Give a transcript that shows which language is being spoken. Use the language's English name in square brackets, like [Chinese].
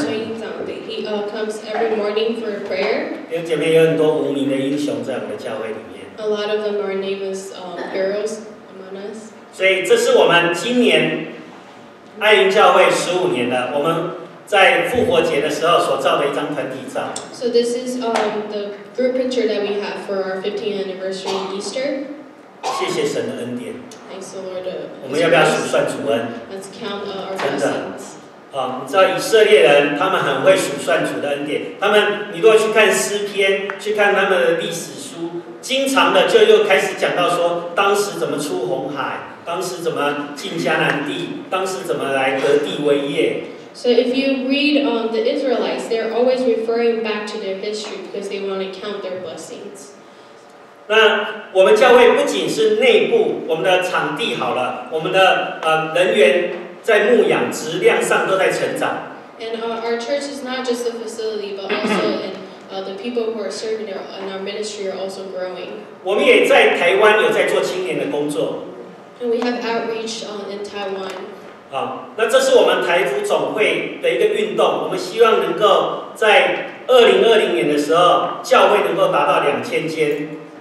[English] 春英长 ，he comes every morning for prayer. [Chinese] 弟兄姐妹有很多无名的英雄在我们的教会里面。 [English] A lot of them are nameless heroes among us. [Chinese] 所以这是我们今年爱云教会十五年的我们。在复活节的时候所照的一张团体照。 [English] So this is the group picture that we have for our 15th anniversary Easter. [Chinese] 谢谢神的恩典。 [English] Thanks the Lord. [Chinese] 我们要不要数算主恩 [English] ？Let's count our blessings. [Chinese] 啊，你知道以色列人他们很会数算主的恩典。他们，你如果去看诗篇，去看他们的历史书，经常的就又开始讲到说，当时怎么出红海，当时怎么进迦南地，当时怎么来得地为业。 [English] So if you read the Israelites, they're always referring back to their history because they want to count their blessings. [Chinese] 那我们教会不仅是内部，我们的场地好了，我们的人员在牧养质量上都在成长。 [English] And our church is not just a facility, but also in the people who are serving in our ministry are also growing. [Chinese] 我们也在台湾有在做青年的工作。 [English] And we have outreach in Taiwan. [Chinese] 好，那这是我们台福总会的一个运动，我们希望能够在2020年的时候，教会能够达到2000间。